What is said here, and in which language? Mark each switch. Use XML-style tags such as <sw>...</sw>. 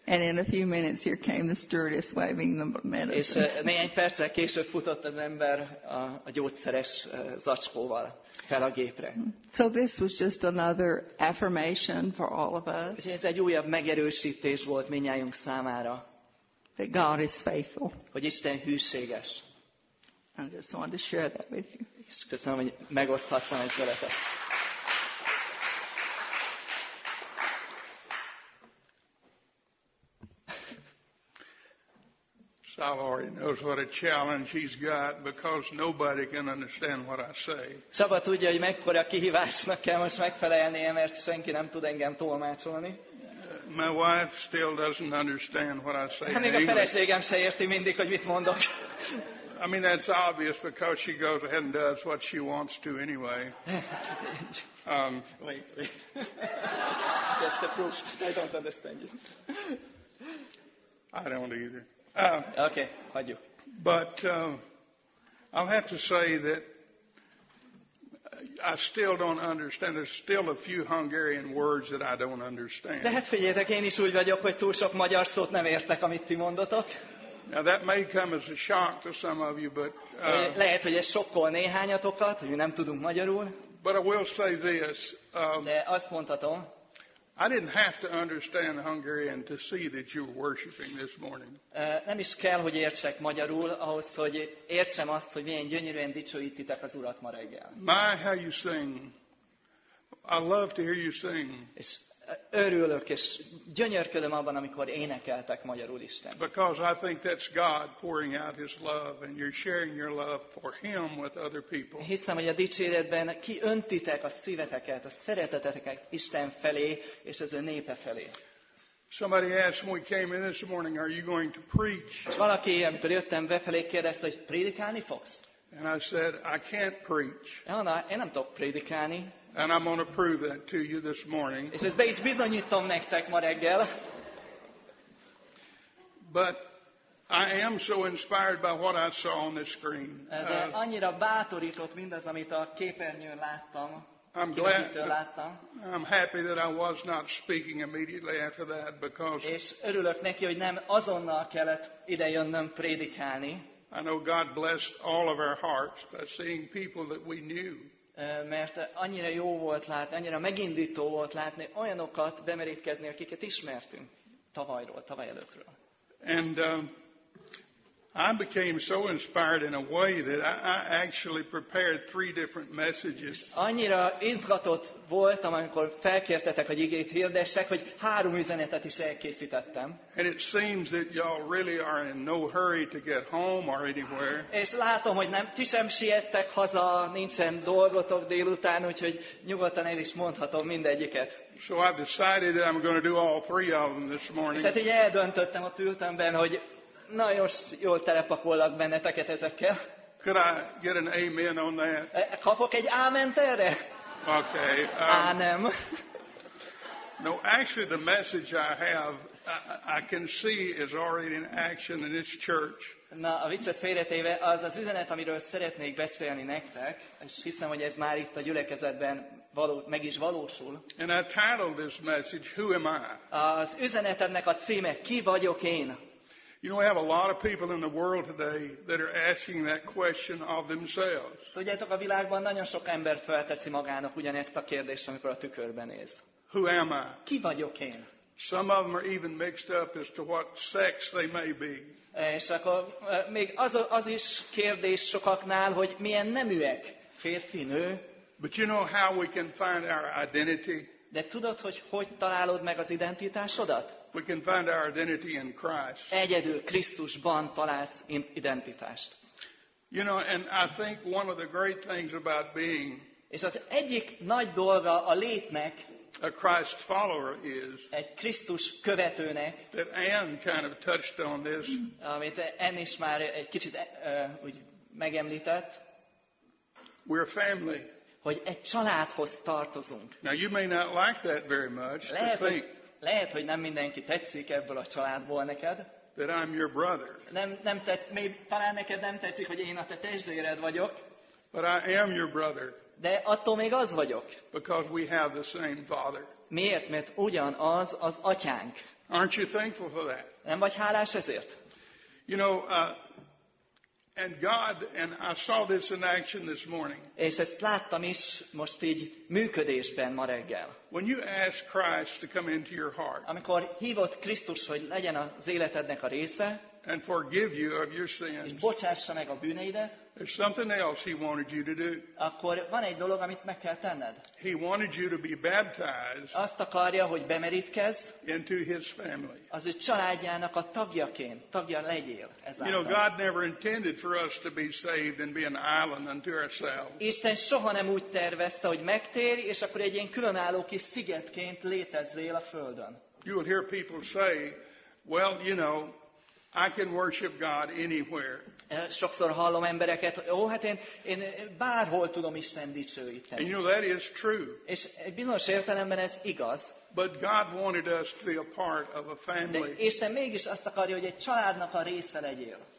<en>And in a few minutes here came the stewardess waving the medicine.</en> <hu>És néhány perccel később futott az ember a gyógyszeres zacskóval fel a gépre.</hu> <en>So this was just another affirmation for all of us.</en> <hu>Úgyhogy ez egy újabb megerősítés volt mindnyájunk számára.</hu> <en>That God is faithful.</en> <hu>Hogy Isten hűséges.</hu> <en>I just wanted to share that with you.</en> <hu>Köszönöm, hogy megoszthattam ezt veletek.</hu> <en>Salary knows what a challenge he's got because nobody can understand what I say.</en> <hu>Szava tudja, hogy mekkora kihívásnak kell most megfelelnie, mert senki nem tud engem tolmácsolni.</hu> <en>My wife still doesn't understand what I say.</en> <hu>Még a feleségem se érti mindig, hogy mit mondok.</hu> <en>I mean, that's obvious because she goes ahead and does what she wants to anyway. Wait. Just approached. I don't understand you. I don't either.</en> <hu>Okay, hadjuk.</hu> <en>But I'll have to say that I still don't understand. There's still a few Hungarian words that I don't understand.</en> <hu>De hát figyeljetek, én is úgy vagyok, hogy túl sok magyar szót nem értek, amit ti mondotok.</hu> <en>Now that may come as a shock to some of you, but</en> <hu>lehet, hogy ez sokkol néhányatokat, hogy nem tudunk magyarul.</hu> <en>But I will say this.</en> <hu>De azt mondhatom.</hu> <en>I didn't have to understand Hungarian to see that you were worshiping this morning.</en> <hu>Nem is kell, hogy értsek magyarul ahhoz, hogy értsem azt, hogy milyen gyönyörűen dicsőítitek az Urat ma reggel.</hu> <en>My, how you sing. I love to hear you sing.</en> <hu>Örülök és gyönyörködöm abban, amikor énekeltek magyarul Isten.</hu> <en>Because I think that's God pouring out His love, and you're sharing your love for Him with other people.</en> <hu>Hiszem, hogy a dicséretben kiöntitek a szíveteket, a szereteteteket Isten felé és az ő népe felé.</hu> <en>Somebody asked when we came in this morning, "Are you going to preach?"</en> <hu>És valaki, amikor jöttem befelé, kérdezte, hogy prédikálni fogsz?</hu> <en>And I said, "I can't preach."</en> <hu>Anna, én nem tudok prédikálni.</hu> <en>And I'm going to prove that to you this morning.</en> <hu>És ezt be is bizonyítom nektek ma reggel.</hu> <en>But I am so inspired by what I saw on the screen.</en> <hu>De annyira bátorított mindaz, amit a képernyőn láttam.</hu> <en>I'm glad. I'm happy that I was not speaking immediately after that because.</en> <hu>És örülök neki, hogy nem azonnal kellett ide jönnöm prédikálni.</hu> <en>I know God blessed all of our hearts by seeing people that we knew.</en> <hu>Mert annyira jó volt látni, annyira megindító volt látni olyanokat bemerítkezni, akiket ismertünk tavalyról, tavaly előttről.</hu> <en>And I became so inspired in a way that I actually prepared three different messages.</en> <hu>Annyira izgatott voltam, amikor felkértetek, hogy igét hirdessek, hogy három üzenetet is elkészítettem.</hu> <en>And it seems that y'all really are in no hurry to get home or anywhere.</en> <hu>És látom, hogy nem, ti sem siettek haza, nincsen dolgotok délután, úgyhogy nyugodtan el is mondhatom mindegyiket.</hu> <en>So I decided that I'm going to do all three of them this morning.</en> <hu>És hát így eldöntöttem ott ültemben, hogy nagyon jól telepakollak benneteket ezekkel.</hu> <en>Could I get an amen on that?</en> <hu>Kapok egy áment erre?</hu> <en>Okay.</en> <hu>Ánem.</hu> <en>No, actually the message I have, I can see is already in action in this church.</en> <hu>Na, a viccet félretéve, az az üzenet, amiről szeretnék beszélni nektek, és hiszem, hogy ez már itt a gyülekezetben meg is valósul.</hu> <en>And I titled this message, Who Am I?</en> <hu>Az üzenetemnek a címe, Ki vagyok én?</hu> <en>You know, we have a lot of people in the world today that are asking that question of themselves.</en> <hu>Tudjátok, a világban nagyon sok ember felteszi magának ugyanezt a kérdést, amikor a tükörben néz.</hu> <en>Who am I?</en> <hu>Ki vagyok én?</hu> <en>Some of them are even mixed up as to what sex they may be.</en> <hu>És akkor még az is kérdés sokaknál, hogy milyen neműek, férfi, nő.</hu> <en>But you know how we can find our identity?</en> <hu>De tudod, hogy hogy találod meg az identitásodat?</hu> <en>We can find our identity in Christ.</en> <hu>Egyedül Krisztusban találsz identitást.</hu> <en>You know, and I think one of the great things about being.</en> <hu>És az egyik nagy dolga a létnek.</hu> <en>A Christ follower is.</en> <hu>Egy Krisztus követőnek.</hu> <en>That Anne kind of touched on this.</en> <hu>Amit Anne is már egy kicsit úgy megemlített.</hu> <en>We're a family.</en> <hu>Hogy egy családhoz tartozunk.</hu> <en>Now you may not like that very much.</en> <hu>Lehet, hogy nem mindenki tetszik ebből a családból neked.</hu> <en>That I'm your brother.</en> <hu>Talán neked nem tetszik, hogy én a te testvéred vagyok.</hu> <en>But I am your brother.</en> <hu>De attól még az vagyok.</hu> <en>Because we have the same father.</en> <hu>Miért? Mert ugyanaz az atyánk.</hu> <en>Aren't you thankful for that?</en> <hu>Nem vagy hálás ezért?</hu> <en>You know, and God, and I saw this in action this morning.</en> <hu>És ezt láttam is most így működésben ma reggel.</hu> <en>When you ask Christ to come into your heart,</en> <hu>amikor hívott Krisztus, hogy legyen az életednek a része,</hu> <en>and forgive you of your sins,</en> <hu>és bocsássa meg a bűneidet,</hu> <en>there's something else he wanted you to do.</en> <hu>Akkor van egy dolog, amit meg kell tenned.</hu> <en>He wanted you to be baptized.</en> <hu>Azt akarja, hogy bemerítkezz.</hu> <en>Into his family.</en> <hu>Az ő családjának a tagjaként, tagja legyél ezáltal.</hu> <en>You know, God never intended for us to be saved and be an island unto ourselves.</en> <hu>Isten soha nem úgy tervezte, hogy megtérj, és akkor egy ilyen különálló kis szigetként létezzél a földön.</hu> <en>You will hear people say, well, you know, I can worship God anywhere.</en> <hu>Sokszor hallom embereket, hát én bárhol tudom Isten dicsőíteni.</hu> <en>You know, that is true.</en> <hu>És bizonyos értelemben ez igaz.</hu> <en>But God wanted us to be a part of a family.</en> <hu>De Isten mégis azt akarja, hogy egy családnak a része legyél.</hu>